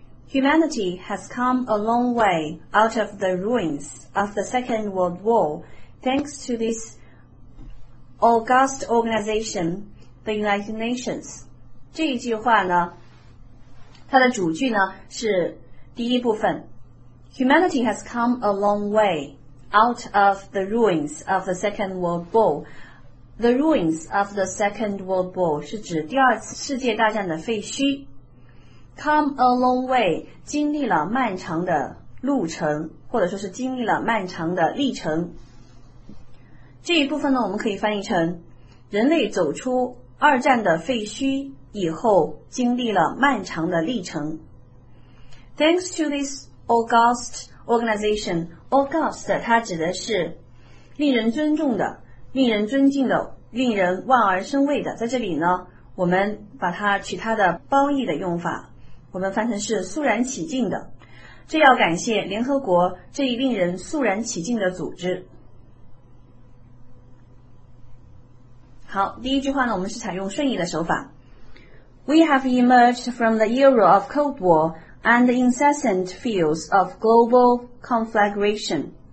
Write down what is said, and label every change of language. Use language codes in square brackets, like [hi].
[en] Humanity has come a long way out of the ruins of the Second World War thanks to this August Organization, the United Nations. [zh] 这一句话呢，它的主句呢是第一部分。 [en] Humanity has come a long way out of the ruins of the Second World War. The ruins of the Second World War [zh] 是指第二次世界大战的废墟。 [en] Come a long way [zh] 经历了漫长的路程，或者说是经历了漫长的历程。这一部分呢，我们可以翻译成人类走出二战的废墟以后经历了漫长的历程。 [en] Thanks to this August organization, August [zh] 它指的是令人尊重的、令人尊敬的、令人望而生畏的。在这里呢，我们把它取它的褒义的用法，我们翻成是肃然起敬的。这要感谢联合国这一令人肃然起敬的组织。好，第一句话呢，我们是采用顺义的手法。 [en] We have emerged from the era of Cold War and the incessant fields of global conflagration.